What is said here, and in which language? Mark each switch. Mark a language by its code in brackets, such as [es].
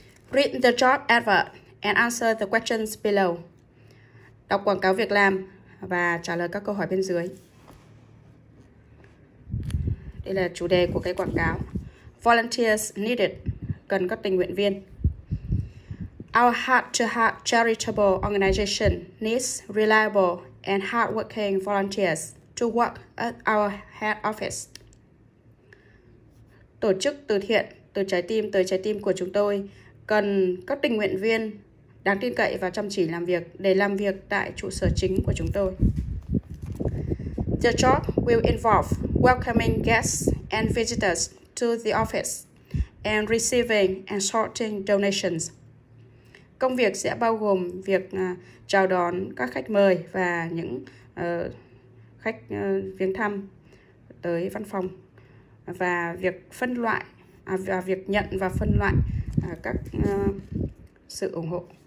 [en] Read the job advert and answer the questions below. [vi] Đọc quảng cáo việc làm và trả lời các câu hỏi bên dưới. Đây là chủ đề của cái quảng cáo. [en] Volunteers needed. [vi] Cần các tình nguyện viên. [en] Our heart-to-heart charitable organization needs reliable and hard-working volunteers to work at our head office. [vi] Tổ chức từ thiện từ trái tim của chúng tôi cần các tình nguyện viên đáng tin cậy và chăm chỉ làm việc để làm việc tại trụ sở chính của chúng tôi. [en] The job will involve welcoming guests and visitors to the office and receiving and sorting donations. [vi] Công việc sẽ bao gồm việc chào đón các khách mời và những khách viếng thăm tới văn phòng và việc phân loại và việc nhận và phân loại các sự ủng hộ.